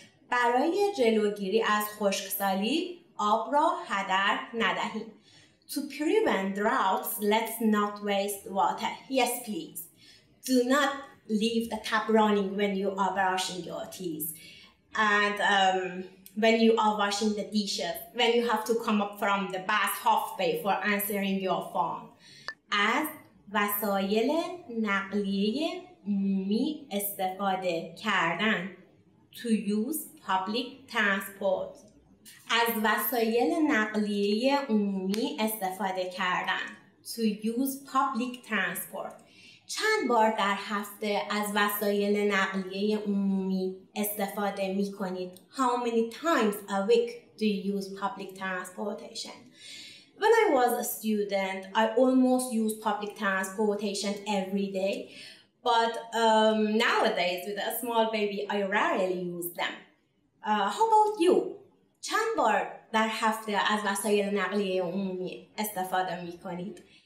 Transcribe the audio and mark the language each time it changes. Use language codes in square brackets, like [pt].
[fa] برای جلوگیری از خشکسالی آب را هدر ندهیم. [en] To prevent droughts, let's not waste water. Yes, please. Do not leave the tap running when you are brushing your teeth. And when you are washing the dishes, when you have to come up from the bath halfway for answering your phone. [fa] از وسایل نقلیه عمومی استفاده کردن. [en] To use public transport. [fa] از وسایل نقلیه عمومی استفاده کردن. [en] To use public transport. [fa] چند بار در هفته از وسایل نقلیه عمومی استفاده می کنید؟ [en] How many times a week do you use public transportation? When I was a student, I almost used public transportation every day. But nowadays, with a small baby, I rarely use them. How about you? [fa] چند بار در هفته از وسایل نقلیه عمومی استفاده می کنید؟